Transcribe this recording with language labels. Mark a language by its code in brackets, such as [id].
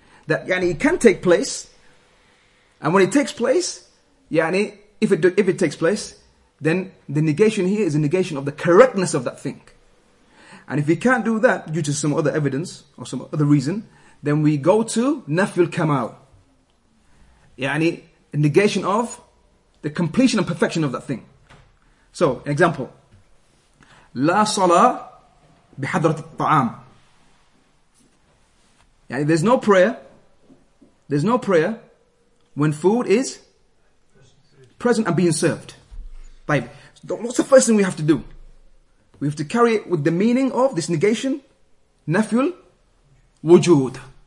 [en] That يعني it can take place, and when it takes place, يعني if it takes place, then the negation here is a negation of the correctness of that thing. And if we can't do that due to some other evidence or some other reason, then we go to nafi al-kamal, يعني a negation of the completion and perfection of that thing. So, example, [ar] لا صلاة بحضرة الطعام. [en] يعني there's no prayer when food is present and being served. So what's the first thing we have to do? We have to carry it with the meaning of this negation, nafyul wujud.